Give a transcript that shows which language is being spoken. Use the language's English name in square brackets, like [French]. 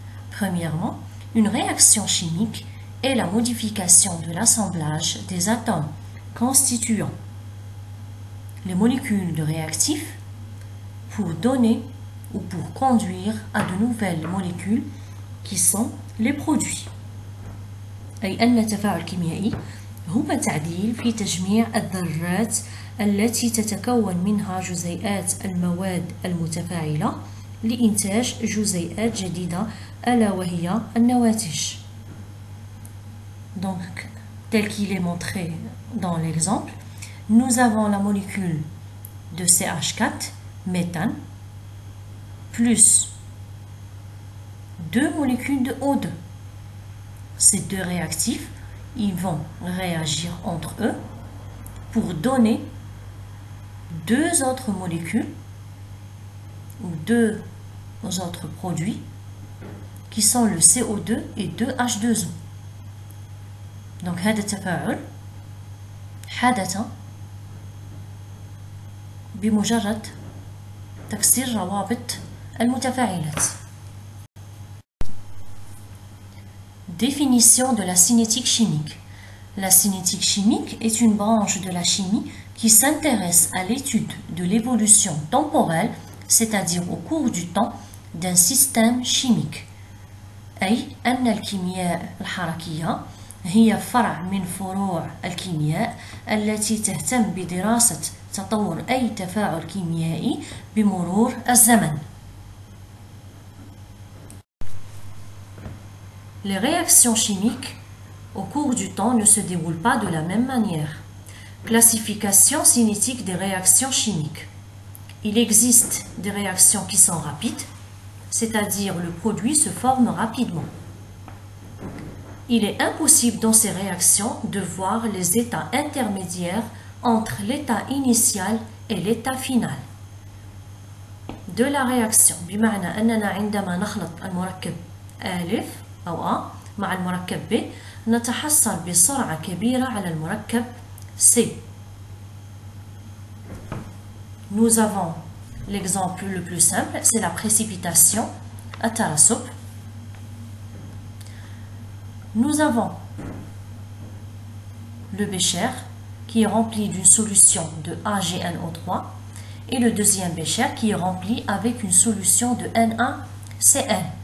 [French] Premièrement, une réaction chimique est la modification de l'assemblage des atomes constituant les molécules de réactifs pour donner ou pour conduire à de nouvelles molécules qui sont les produits. [Arabic] أي أن التفاعل الكيميائي هو تعديل في تجميع الذرات التي تتكون منها جزيئات المواد المتفاعلة لإنتاج جزيئات جديدة ألا وهي النواتج. [French] Donc, tel qu'il est montré dans l'exemple, nous avons la molécule de CH4, méthane, plus deux molécules de O2. Ces deux réactifs, ils vont réagir entre eux pour donner deux autres molécules ou deux aux autres produits qui sont le CO2 et 2H2O. [Arabic] Donc, هذا التفاعل حدث بمجرد تكسير روابط المتفاعلات. [French] Définition de la cinétique chimique. La cinétique chimique est une branche de la chimie qui s'intéresse à l'étude de l'évolution temporelle, c'est-à-dire au cours du temps, d'un système chimique. [Arabic] أي أن الكيمياء الحركية هي فرع من فروع الكيمياء التي تهتم بدراسة تطور أي تفاعل كيميائي بمرور الزمن. [French] Les réactions chimiques au cours du temps ne se déroulent pas de la même manière. Classification cinétique des réactions chimiques. Il existe des réactions qui sont rapides, c'est-à-dire le produit se forme rapidement. Il est impossible dans ces réactions de voir les états intermédiaires entre l'état initial et l'état final de la réaction. [Arabic] بمعنى أننا عندما نخلط المركب ألف أو أ مع المركب ب نتحصل بسرعة كبيرة على المركب C. [French] Nous avons l'exemple le plus simple, c'est la précipitation à Tarasop. Nous avons le bécher qui est rempli d'une solution de AgNO3 et le deuxième bécher qui est rempli avec une solution de NaCl.